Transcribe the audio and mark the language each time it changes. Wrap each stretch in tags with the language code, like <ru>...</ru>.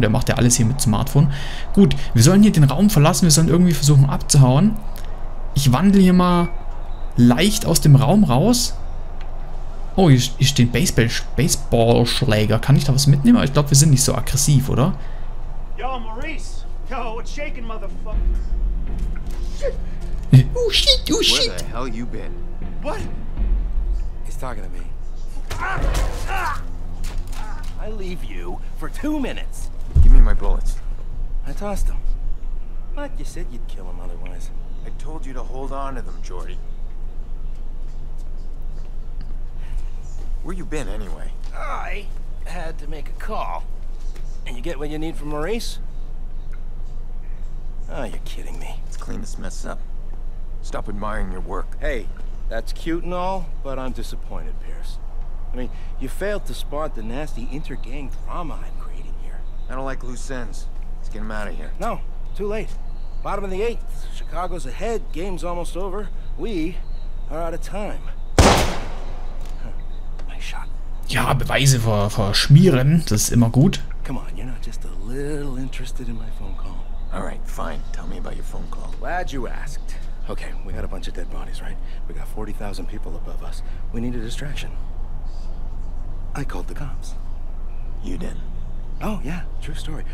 <de>Der macht ja alles hier mit Smartphone. Gut, wir sollen hier den Raum verlassen, wir sollen irgendwie versuchen abzuhauen. Ich wandle hier mal leicht aus dem Raum raus. Oh, hier steht Baseballschläger. Kann ich da was mitnehmen? Ich glaube, wir sind nicht so aggressiv, oder?</de> <en>Yo, Maurice. Yo, it's shaking, motherfucker. Shit. Oh shit, oh shit. Where the hell you been? What? He's talking to me. I leave you for 2 minutes. Give me my bullets. I tossed them. But you said you'd kill him otherwise. I told you to hold on to them, Jordy. Where you been anyway? I had to make a call. And you get what you need from Maurice? Oh, you're kidding me. Let's clean this mess up. Stop admiring your work. Hey, that's cute and all, but I'm disappointed, Pierce. I mean, you failed to spot the nasty inter-gang drama I'm creating here. I don't like loose ends. Let's get him out of here. No, too late. Bottom of the eighth. Chicago's ahead. Game's almost over. We are out of time. Nice shot.</en> <de>Ja, Beweise verschmieren, das ist immer gut.</de> <en>Come on, you're not just a little interested in my phone call. All right, fine. Tell me about your phone call. Glad you asked. Okay, we got a bunch of dead bodies, right? We got 40,000 people above us. We need a distraction. I called the cops. You did? Oh, yeah. True story.</en>